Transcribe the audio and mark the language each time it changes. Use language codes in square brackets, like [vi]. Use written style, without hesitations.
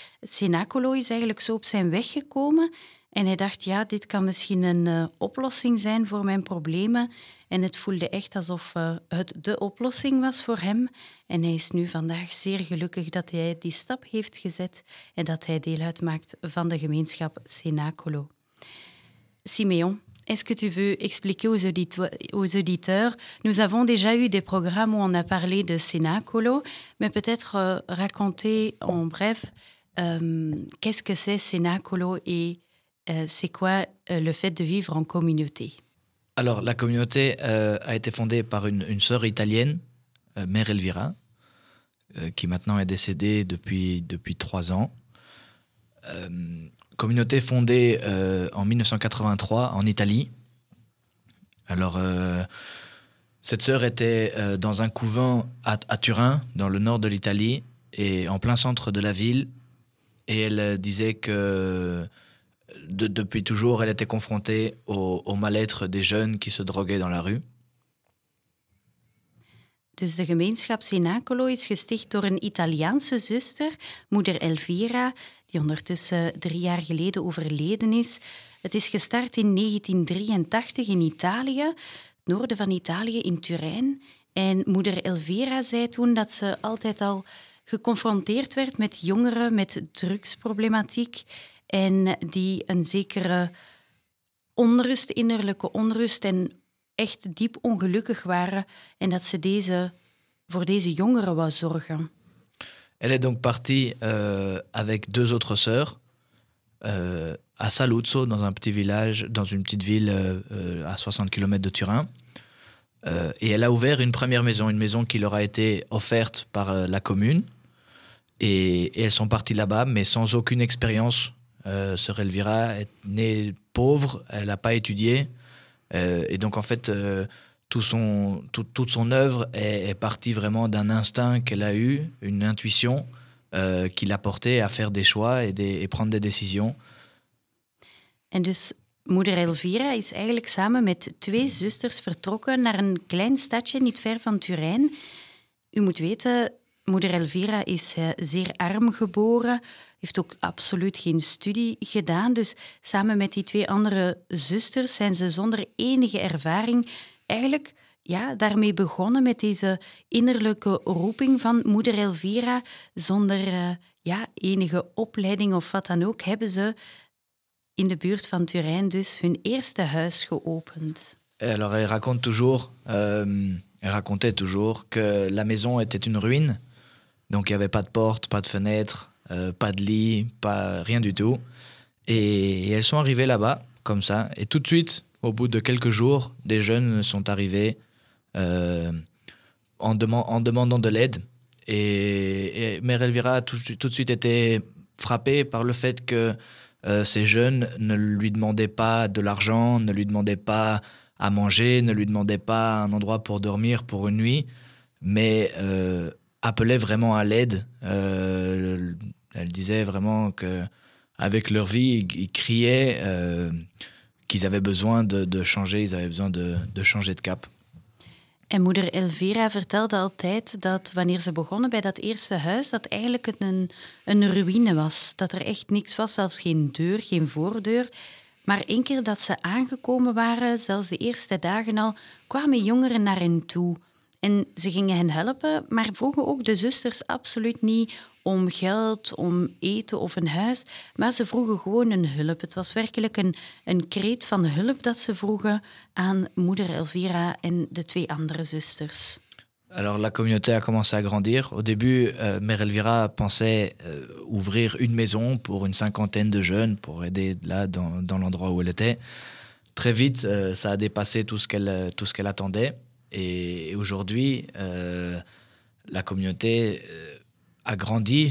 [nl] Cenacolo is eigenlijk zo op zijn weg gekomen. En hij dacht, ja, dit kan misschien een oplossing zijn voor mijn problemen. En het voelde echt alsof het de oplossing was voor hem. En hij is nu vandaag zeer gelukkig dat hij die stap heeft gezet en dat hij deel uitmaakt van de gemeenschap Cenacolo. [fr] Siméon, est-ce que tu veux expliquer aux auditeurs? Nous avons déjà eu des programmes où on a parlé de Cenacolo, mais peut-être raconter en bref qu'est-ce que c'est Cenacolo et c'est quoi le fait de vivre en communauté? Alors, la communauté a été fondée par une sœur italienne, Mère Elvira, qui maintenant est décédée depuis 3 ans. Communauté fondée en 1983 en Italie. Alors, cette sœur était dans un couvent à Turin, dans le nord de l'Italie, et en plein centre de la ville. Et elle disait que depuis toujours, elle était confrontée au mal-être des jeunes qui se droguaient dans la rue. [nl] Dus de gemeenschap Cenacolo is gesticht door een Italiaanse zuster, moeder Elvira, die ondertussen 3 jaar geleden overleden is. Het is gestart in 1983 in Italië, noorden van Italië, in Turijn. En moeder Elvira zei toen dat ze altijd al geconfronteerd werd met jongeren met drugsproblematiek en die een zekere onrust, innerlijke onrust en echt diep ongelukkig waren en dat ze deze, voor deze jongeren wou zorgen. [fr] Elle est donc partie avec deux autres sœurs à Saluzzo, dans un petit village, dans une petite ville à 60 km de Turin. Et elle a ouvert une première maison, une maison qui leur a été offerte par la commune. Et elles sont parties là-bas, mais sans aucune expérience. Sœur Elvira est née pauvre, elle n'a pas étudié. Et donc, en fait, toute son œuvre est partie vraiment d'un instinct qu'elle a eu, une intuition qui l'a portée à faire des choix et prendre des décisions. Et donc, [nl] moeder Elvira is eigenlijk samen met twee zusters vertrokken naar een klein stadje niet ver van Turijn. U moet weten, moeder Elvira is zeer arm geboren, heeft ook absoluut geen studie gedaan. Dus samen met die twee andere zusters zijn ze zonder enige ervaring eigenlijk daarmee begonnen met deze innerlijke roeping van moeder Elvira. Zonder enige opleiding of wat dan ook hebben ze in de buurt van Turijn dus hun eerste huis geopend. [fr] Alors, elle racontait toujours que la maison était une ruine. Donc, il n'y avait pas de porte, pas de fenêtre, pas de lit, pas rien du tout. Et elles sont arrivées là-bas, comme ça. Et tout de suite, au bout de quelques jours, des jeunes sont arrivés en demandant de l'aide. Et Mère Elvira a tout de suite été frappée par le fait que ces jeunes ne lui demandaient pas de l'argent, ne lui demandaient pas à manger, ne lui demandaient pas un endroit pour dormir pour une nuit, mais appelaient vraiment à l'aide. Elle disait vraiment qu'avec leur vie, ils criaient qu'ils avaient besoin de changer, ils avaient besoin de changer de cap. [nl] En moeder Elvira vertelde altijd dat wanneer ze begonnen bij dat eerste huis, dat eigenlijk een ruïne was. Dat er echt niks was, zelfs geen deur, geen voordeur. Maar één keer dat ze aangekomen waren, zelfs de eerste dagen al, kwamen jongeren naar hen toe. En ze gingen hen helpen, maar vroegen ook de zusters absoluut niet om geld, om eten of een huis. Maar ze vroegen gewoon een hulp. Het was werkelijk een kreet van hulp dat ze vroegen aan moeder Elvira en de twee andere zusters. [fr] Alors la communauté a commencé à grandir. Au début, mère Elvira pensait ouvrir une maison pour une cinquantaine de jeunes, pour aider là dans l'endroit où elle était. Très vite, ça a dépassé tout ce qu'elle attendait. Et aujourd'hui, la communauté a grandi.